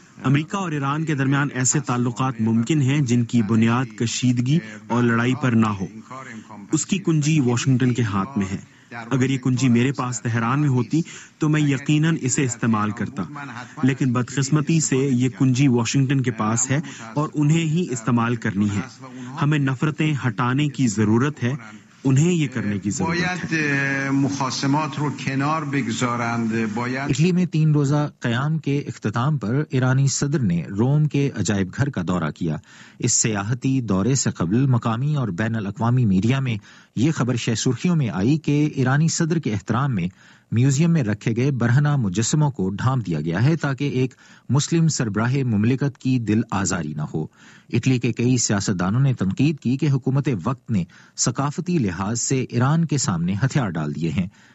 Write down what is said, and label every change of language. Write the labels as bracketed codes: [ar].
[ur] امریکہ اور ایران کے درمیان ایسے تعلقات ممکن ہیں جن کی بنیاد کشیدگی اور لڑائی پر نہ ہو۔ اس کی کنجی واشنگٹن کے ہاتھ میں ہے۔ اگر یہ کنجی میرے پاس تہران میں ہوتی تو میں یقیناً اسے استعمال کرتا، لیکن بدقسمتی سے یہ کنجی واشنگٹن کے پاس ہے اور انہیں ہی استعمال کرنی ہے۔ ہمیں نفرتیں ہٹانے کی ضرورت ہے، انہیں یہ کرنے کی ضرورت ہے۔ [fa] باید مخاصمات رو کنار بگذارند۔ [ur] اٹلی میں 3 روزہ قیام کے اختتام پر ایرانی صدر نے روم کے عجائب گھر کا دورہ کیا۔ اس سیاحتی دورے سے قبل مقامی اور بین الاقوامی میڈیا میں یہ خبر شہ سرخیوں میں آئی کہ ایرانی صدر کے احترام میں میوزیم میں رکھے گئے برہنہ مجسموں کو ڈھانپ دیا گیا ہے تاکہ ایک مسلم سربراہ مملکت کی دل آزاری نہ ہو۔ اٹلی کے کئی سیاستدانوں نے تنقید کی کہ حکومت وقت نے ثقافتی لحاظ سے ایران کے سامنے ہتھیار ڈال دیے ہیں۔